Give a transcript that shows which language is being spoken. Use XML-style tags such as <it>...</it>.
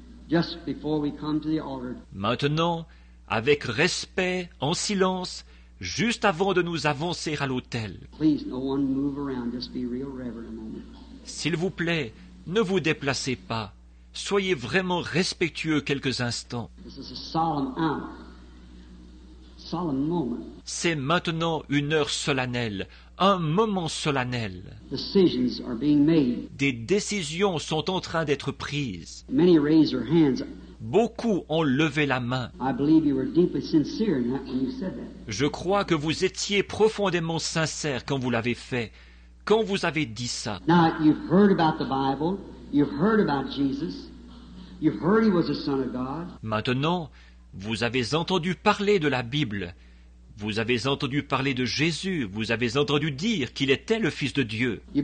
<en>Just before we come to the altar.</en> <fr>Maintenant, avec respect, en silence, juste avant de nous avancer à l'autel.</fr> <en>Please, no one move around. Just be real reverent a moment.</en> <fr>S'il vous plaît, ne vous déplacez pas. Soyez vraiment respectueux quelques instants.</fr> <en>This is a solemn hour. Solemn moment.</en> <fr>C'est maintenant une heure solennelle. Un moment solennel.</fr> <en>Decisions are being made.</en> <fr>Des décisions sont en train d'être prises.</fr> <en>Many raised their hands.</en> <fr>Beaucoup ont levé la main.</fr> <en>I believe you were deeply sincere in that when you said that.</en> <fr>Je crois que vous étiez profondément sincère quand vous l'avez fait, quand vous avez dit ça.</fr> <en>Now you've heard about the Bible, you've heard about Jesus, you've heard he was the Son of God.</en> <fr>Maintenant, vous avez entendu parler de la Bible. Vous avez entendu parler de Jésus, vous avez entendu dire qu'il était le Fils de Dieu.</fr>